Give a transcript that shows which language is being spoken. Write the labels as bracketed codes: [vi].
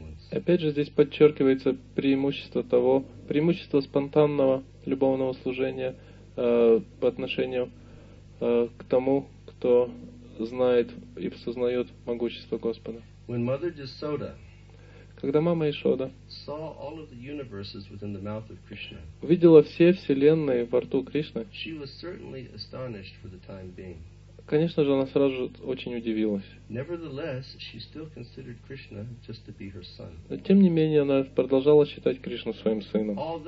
[ru] Опять же, здесь подчеркивается преимущество того, преимущество спонтанного любовного служения по отношению к тому, кто знает и сознает могущество Господа. [en] When Mother Yashoda, [ru] когда мама Яшода [en] saw all of the universes within the mouth of Krishna, [ru] увидела все вселенные во рту Кришны, [en] she was certainly astonished for the time being. [ru] Конечно же, она сразу же очень удивилась. Тем не менее, она продолжала считать Кришну своим сыном.